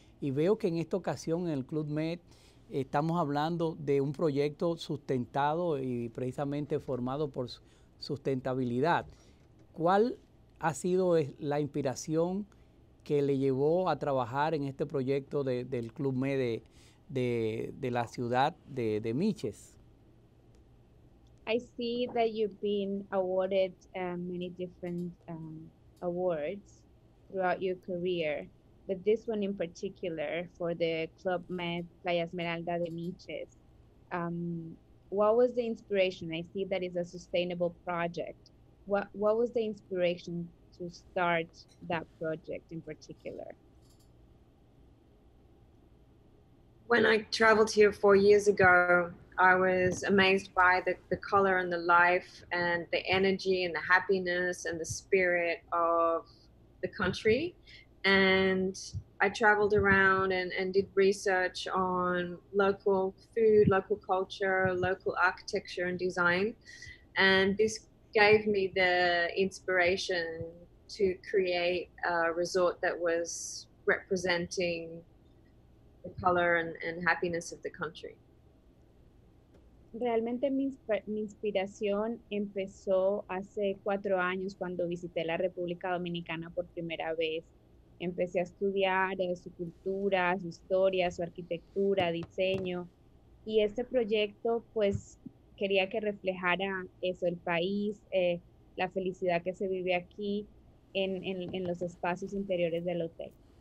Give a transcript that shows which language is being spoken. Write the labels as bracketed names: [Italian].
[Spanish] Y veo que en esta ocasión en el Club Med estamos hablando de un proyecto sustentado y precisamente formado por sustentabilidad. ¿Cuál ha sido la inspiración que le llevó a trabajar en este proyecto del Club Med de la ciudad de Mitges? [English] I see that you've been awarded many different awards throughout your career, but this one in particular for the Club Med Playa Esmeralda de Mitges. What was the inspiration? I see that it's a sustainable project. What was the inspiration to start that project in particular? When I traveled here 4 years ago, I was amazed by the color and the life and the energy and the happiness and the spirit of the country. And I traveled around and did research on local food, local culture, local architecture and design. And this gave me the inspiration to create a resort that was representing the color and happiness of the country. [Spanish] Realmente mi inspiración empezó hace 4 años cuando visité la República Dominicana por primera vez. Empecé a estudiar su cultura, su historia, su arquitectura, diseño. Y este proyecto, pues, quería que reflejara eso, el país, la felicidad que se vive aquí en los espacios interiores del hotel.